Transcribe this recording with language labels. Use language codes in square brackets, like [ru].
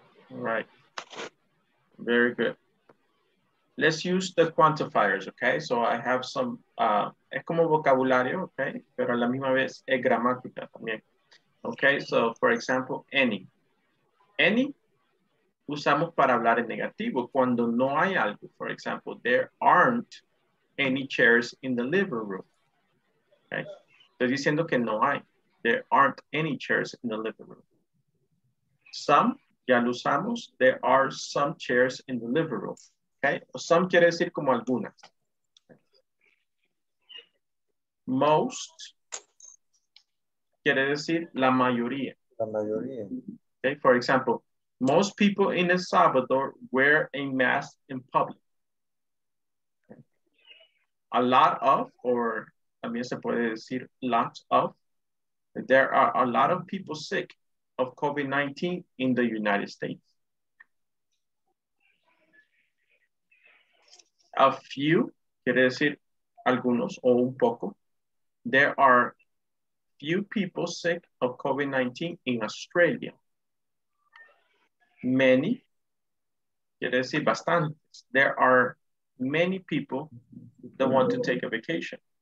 [en] Right. Very good. Let's use the quantifiers, okay? So I have some, [es] es como vocabulario, [en] okay? [es] Pero a la misma vez es gramática también. Okay, [en] so for example, [es] any. Any usamos para hablar en negativo cuando no hay algo. [en] For example, there aren't any chairs in the living room. Okay, [es] estoy diciendo que no hay. [en] There aren't any chairs in the living room. Some, [es] ya lo usamos. [en] There are some chairs in the living room. [es] Some quiere decir como algunas. Most quiere decir la mayoría. La mayoría. [en] Okay, for example, most people in El Salvador wear a mask in public. A lot of, or [es] también se puede decir [en] lots of, there are a lot of people sick of COVID-19 in the United States. [es] A few, quiere decir algunos o un poco. [en] There are few people sick of COVID-19 in Australia. [es] Many, quiere decir bastantes. [en] There are many people that want to take a vacation.